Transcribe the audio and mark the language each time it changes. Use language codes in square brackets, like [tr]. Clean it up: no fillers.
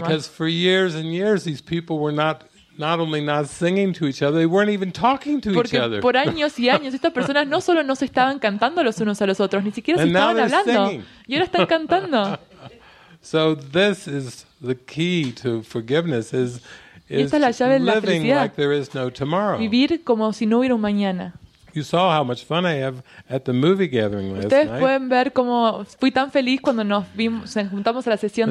[en] Because for years and years, these people were not only not singing to each other, they weren't even talking to [es] Porque [en] each other. [es] Por años y años estas personas no solo no se estaban cantando los unos a los otros, ni siquiera [en] and [es] se estaban hablando. [en] Singing. [es] Y ahora están cantando. [en] So this is the key to forgiveness is [es] y esta es la llave de la felicidad. [en] Like there is no tomorrow. [es] Vivir como si no hubiera un mañana. [en] You saw how much fun I have at the movie gathering last [es] Ustedes [en] night. [es] Pueden ver cómo fui tan feliz cuando nos juntamos a la sesión